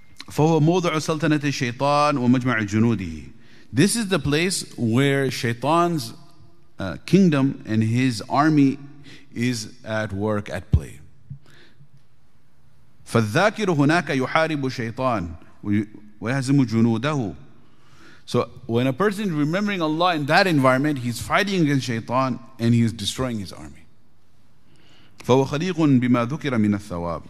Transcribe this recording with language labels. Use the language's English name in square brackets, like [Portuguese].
[Arabic] فهو موضع سلطنة الشيطان ومجمع جنوده. [English] This is the place where Shaitan's kingdom and his army is at work, at play. [Arabic] فالذاكر هناك يحارب الشيطان ويهزم جنوده. [English] So when a person is remembering Allah in that environment, he's fighting against Shaitan and he's destroying his army. [Arabic] فهو خليق بما ذكر من الثواب.